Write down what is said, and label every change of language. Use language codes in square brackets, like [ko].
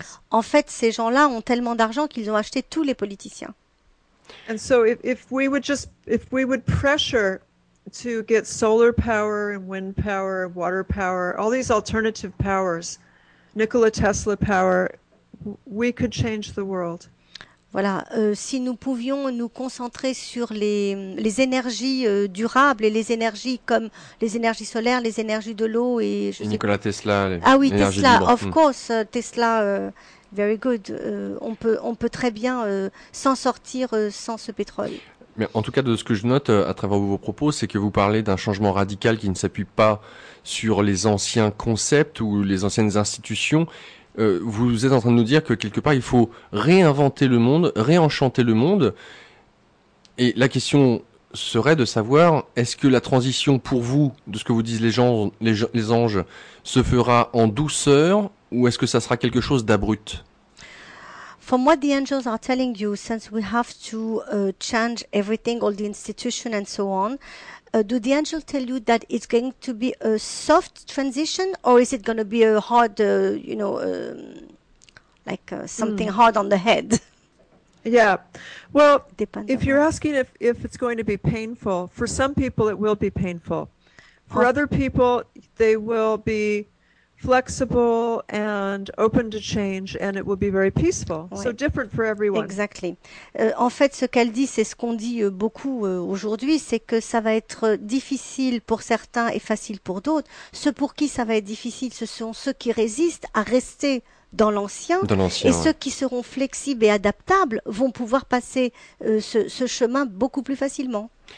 [fr] En fait, ces gens-là ont tellement d'argent qu'ils ont acheté tous les politiciens. [en] And so if we would pressure to get solar power and wind power, water power, all these alternative powers, Nikola Tesla power, we could change the world. [fr] Voilà, si nous pouvions nous concentrer sur les énergies durables et les énergies comme les énergies solaires, les énergies de l'eau et Nikola Tesla. Ah oui, [en] Tesla, of course, Tesla, very good. [fr] On peut très bien s'en sortir sans ce pétrole. Mais en tout cas, de ce que je note à travers vos propos, c'est que vous parlez d'un changement radical qui ne s'appuie pas sur les anciens concepts ou les anciennes institutions. Vous êtes en train de nous dire que quelque part, il faut réinventer le monde, réenchanter le monde. Et la question serait de savoir, est-ce que la transition pour vous, de ce que vous disent les anges, se fera en douceur ou est-ce que ça sera quelque chose d'abrupt ? [en] From what the angels are telling you, since we have to change everything, all the institution and so on, do the angels tell you that it's going to be a soft transition or is it going to be a hard, hard on the head? Yeah. Well, if you're asking if it's going to be painful, for some people it will be painful. For other people, they will be flexible and open to change and it will be very peaceful. Ouais. So different for everyone. Exactly. [fr] En fait, ce qu'elle dit, c'est ce qu'on dit beaucoup aujourd'hui, c'est que ça va être difficile pour certains et facile pour d'autres. Ceux pour qui ça va être difficile, ce sont ceux qui résistent à rester dans l'ancien. Dans l'ancien. Et ceux qui seront flexibles et adaptables vont pouvoir passer ce chemin beaucoup plus facilement.